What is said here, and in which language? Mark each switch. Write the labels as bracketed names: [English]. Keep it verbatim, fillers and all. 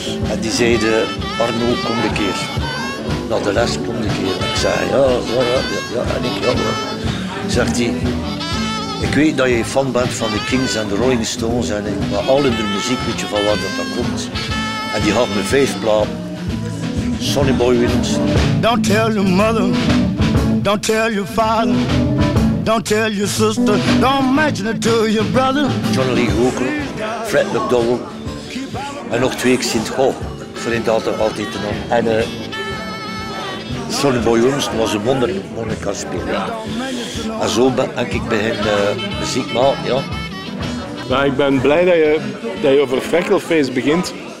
[Dutch] En die zei, uh, Arno, kom de keer. Na de les, kom de keer. Ik zei, ja, ja, ja, ja, en ik, ja, ja. Zegt hij, ik weet dat je fan bent van de Kings en de Rolling Stones en van al hun muziek, weet je van waar dat dan komt. En die had me vijf plaat. Sonny Boy Williams. [English] Don't tell your mother, don't tell your father, don't tell your sister, don't mention it to your brother. John Lee Hooker, Fred McDowell. [Dutch] En nog twee, ik zie het goh. Ik vind dat er altijd een naam. En uh, Sonny Boy Williams was een wonderlijke speler. Ja. En zo ben ik bij hem uh, muziek maken, ja. Nou, ik ben blij dat je, dat je over Freckleface begint.